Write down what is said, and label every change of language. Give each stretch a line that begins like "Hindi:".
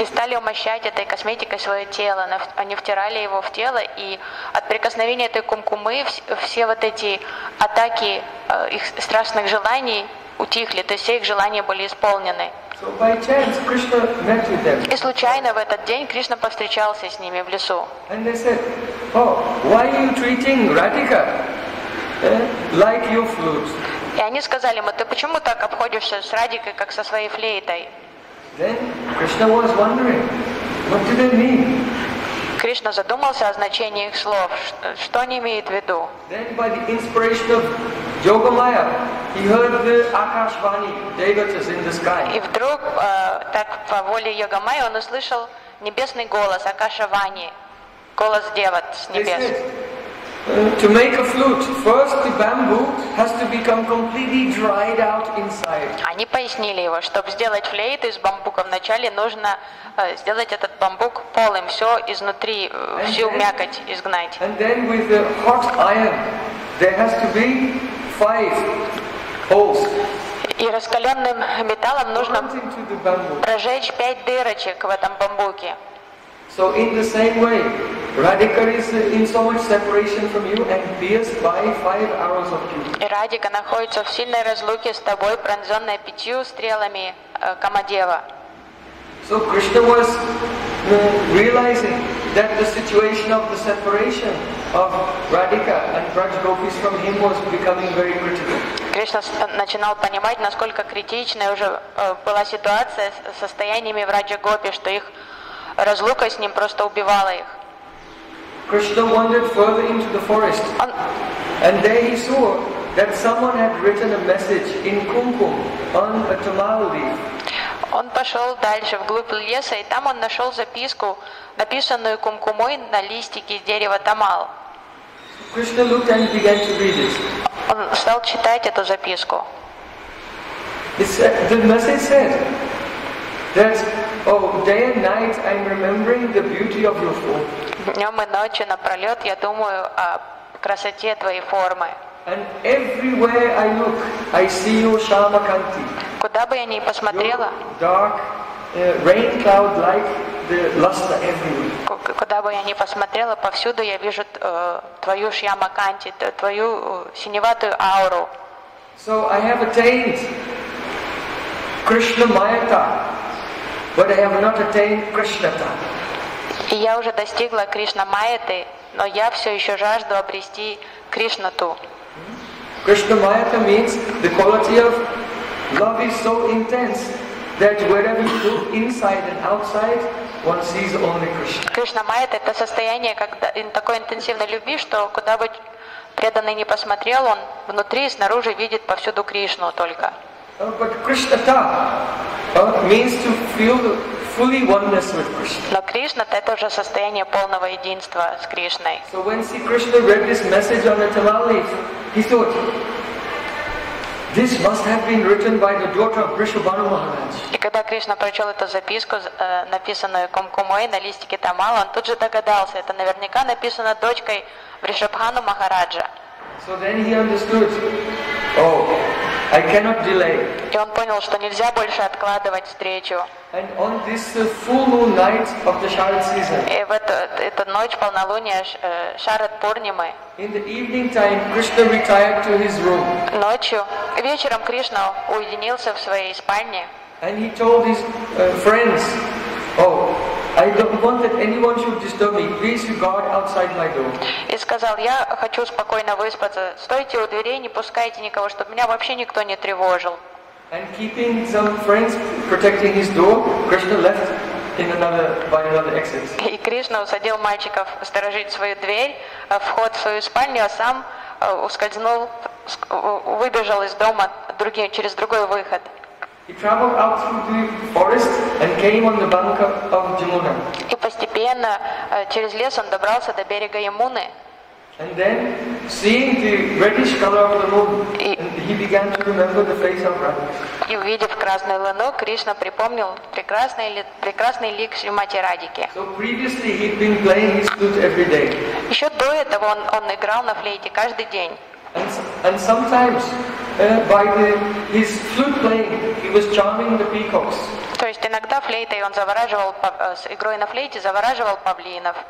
Russian: И стали умощать этой косметикой свое тело. Они втирали его в тело, и от прикосновения этой кумкумы все вот эти атаки их страшных желаний утихли, то есть все их желания были исполнены.
English: So by chance Krishna met with them.
Russian: И случайно в этот день Кришна повстречался с ними в лесу.
English: And they said, oh, why are you treating Radhika like your flute?
Russian: И они сказали ему, ты почему так обходишься с Радикой, как со своей флейтой?
English: Then Krishna was wondering, what do they mean?
Russian: Кришна задумался о значении их слов, что они имеют в виду.
English: Then by the inspiration of Yogamaya, he heard the Akashvani Devatas in the sky.
Russian: И вдруг, так по воле Йогамаи, он услышал небесный голос, Акашавани, голос Деват с небес.
English: To make a flute, first the bamboo has to become completely dried out inside.
Russian: Они пояснили его, чтобы сделать флейту из бамбука, вначале нужно сделать этот бамбук полым, все изнутри, всю мякоть изгнать.
English: And then with the hot iron, there has to be 5 holes.
Russian: И раскаленным металлом нужно прожечь 5 дырочек в этом бамбуке.
English: So in the same way, Radhika is in so much separation from you and pierced by five arrows of Kamadeva.
Russian: Radhika находится в сильной разлуке с тобой, пронзённая пятью стрелами Камадева.
English: So Krishna was realizing that the situation of the separation of Radhika and Braj Gopis from him was becoming very critical.
Russian: Кришна начинал понимать, насколько критичной уже была ситуация с состояниями Враджа Гопи, что их разлука с ним просто убивала их.
English: Krishna wandered further into the forest, and there he saw that someone had written a message in kumkum on a tamal leaf.
Russian: Он пошел дальше вглубь леса, и там он нашел записку, написанную кумкумой на листике дерева тамал.
English: Krishna looked and began to read it.
Russian: Он стал читать эту записку.
English: The message said that, oh, day and night I'm remembering the beauty of your form.
Russian: Днем и ночью напролет я думаю о красоте твоей формы.
English: And everywhere I look, I see your Shyamakanti.
Russian: Куда бы я ни посмотрела,
English: dark, rain cloud-like, the luster everywhere.
Russian: Куда бы я ни посмотрела, повсюду я вижу твою Шьямаканти, твою синеватую ауру.
English: So I have attained Krishna Mayata, but I have not attained Krishnata.
Russian: И я уже достигла Кришна Майяты, но я все еще жажду обрести Кришнату.
English: Krishna Mayata means the quality of love is so intense that wherever you look, inside and outside, one sees only Krishna.
Russian: Кришна Майята — это состояние такой интенсивной любви, что куда бы преданный ни посмотрел, он внутри и снаружи видит повсюду Кришну только.
English: But Krishnata means to feel fully oneness with Krishna.
Russian: Но Кришна — это уже состояние полного единства с Кришной.
English: So when see Krishna read this message on the tamal leaf, he thought, this must have been written by the daughter of Vrishabhanu Maharaj.
Russian: И когда Кришна прочел эту записку, написанную кумкумой на листике тамала, он тут же догадался, это наверняка написано дочкой Вришабхану Махараджа.
English: So then he understood, oh, I cannot delay.
Russian: И он понял, что нельзя больше откладывать встречу.
English: And on this full moon night of the Sharad season.
Russian: И в эту ночь полнолуния Шарад Пурнимы.
English: In the evening time, Krishna retired to his room.
Russian: Ночью, вечером Кришна уединился в своей спальне.
English: And he told his friends, oh, I don't want that anyone should disturb me. Please, you guard outside my door.
Russian: И сказал: я хочу спокойно выспаться. Стойте у дверей, не пускайте никого, чтобы меня вообще никто не тревожил.
English: And keeping some friends protecting his door, Krishna left in another by another exit.
Russian: И Кришна усадил мальчиков сторожить свою дверь, вход в свою спальню, а сам ускользнул, выбежал из дома через другой выход.
English: He traveled out through the forest and came on the bank of Jamuna.
Russian: И постепенно через лес он добрался до берега Ямуны.
English: And then, seeing the reddish color of the moon, he began to remember the face of Radhika.
Russian: И увидев красную луну, Кришна припомнил прекрасный лик Шримати Радики.
English: So previously he had been playing his flute every day.
Russian: Еще до этого он играл на флейте каждый день.
English: And sometimes, by his flute playing, he was charming the peacocks.
Russian: То есть иногда флейтой он завораживал, с игрой на флейте завораживал павлинов.